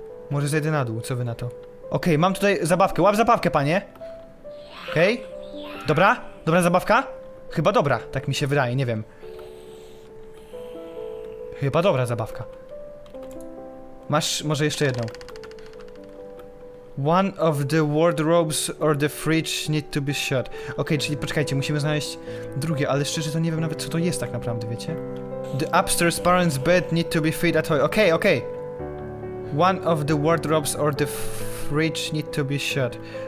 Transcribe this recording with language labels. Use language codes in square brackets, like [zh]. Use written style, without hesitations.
[pl] Może zejdę na dół, co wy na to? Okej, mam tutaj zabawkę, łap zabawkę, panie! Okej? Dobra? Dobra zabawka? Chyba dobra, tak mi się wydaje, nie wiem. Chyba dobra zabawka. Masz może jeszcze jedną? [en] One of the wardrobes or the fridge need to be shut. [pl] Okej, czyli poczekajcie, musimy znaleźć drugie, ale szczerze to nie wiem nawet co to jest tak naprawdę, wiecie? [en] The upstairs parents' bed need to be fed a toy. Okej. One of the wardrobes or the fridge need to be shut.